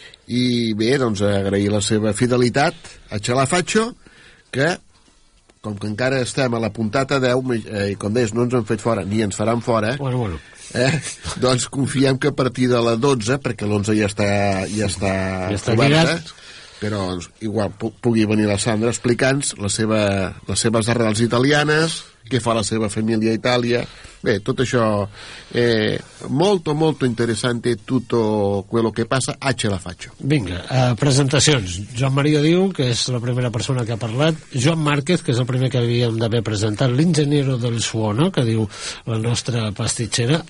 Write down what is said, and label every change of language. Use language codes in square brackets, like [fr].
[ca] I bé, doncs agrair la seva fidelitat a Ce la faccio, que com que encara estem a la puntata 10 i com deies, no ens han fet fora ni ens faran fora, bueno. Doncs confiem que a partir de la 12, perquè l'11 ja està coberta, però doncs, igual pugui venir la Sandra explicant les seves arrels italianes, què fa la seva família a Itàlia. Bé, tot això, [it] molto, molto interessante tutto quello che passa, a Ce la faccio. [ca] Vinga, presentacions. Joan Maria Diu, que és la primera persona que ha parlat. Joan Márquez, que és el primer que havíem d'haver presentat. L'ingeniero del suono, que diu la nostra pastitxera.